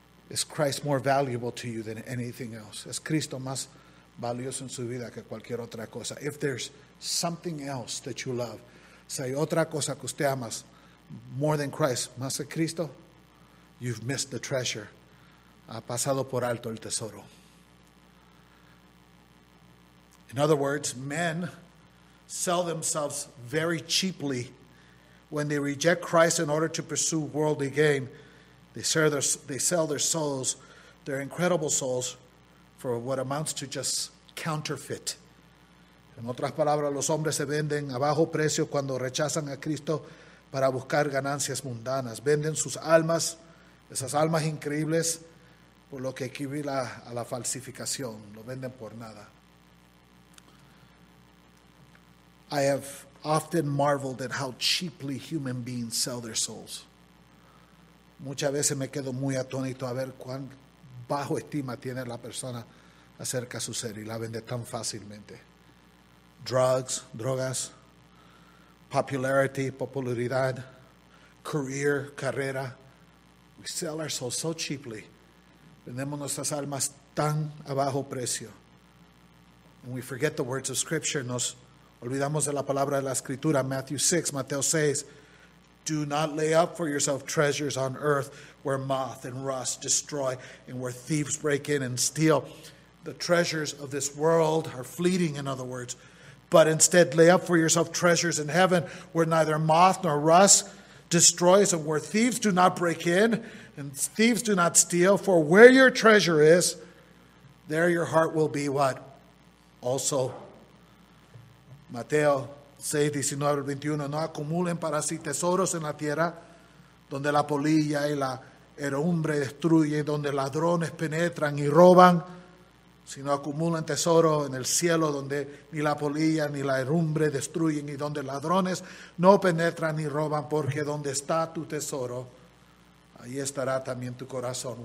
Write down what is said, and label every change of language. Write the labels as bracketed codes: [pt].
[en] Is Christ more valuable to you than anything else? [es] Es Cristo más valioso en su vida que cualquier otra cosa. [en] If there's something else that you love, [es] si hay otra cosa que usted amas [en] more than Christ, [es] más que Cristo, [en] you've missed the treasure. [es] Ha pasado por alto el tesoro. [en] In other words, men sell themselves very cheaply when they reject Christ in order to pursue worldly gain. They sell their souls, their incredible souls, for what amounts to just counterfeit. [es] En otras palabras, los hombres se venden a bajo precio cuando rechazan a Cristo para buscar ganancias mundanas. Venden sus almas, esas almas increíbles, por lo que equivale a la falsificación. Lo venden por nada. [en] I have often marveled at how cheaply human beings sell their souls. [es] Muchas veces me quedo muy atónito a ver cuán bajo estima tiene la persona acerca de su ser y la vende tan fácilmente. Drogas, popularidad, carrera. [en] We sell our souls so cheaply. [es] Vendemos nuestras almas tan a bajo precio. [en] And we forget the words of Scripture. [es] Nos olvidamos de la palabra de la Escritura. [en] Mateo 6, do not lay up for yourself treasures on earth where moth and rust destroy and where thieves break in and steal. The treasures of this world are fleeting, in other words. But instead, lay up for yourself treasures in heaven where neither moth nor rust destroys and where thieves do not break in and thieves do not steal. For where your treasure is, there your heart will be what? [es] Also, Mateo 6:19-21, no acumulen para sí tesoros en la tierra donde la polilla y la herrumbre destruye, donde ladrones penetran y roban, sino acumulan tesoro en el cielo donde ni la polilla ni la herrumbre destruyen y donde ladrones no penetran ni roban, porque donde está tu tesoro, ahí estará también tu corazón.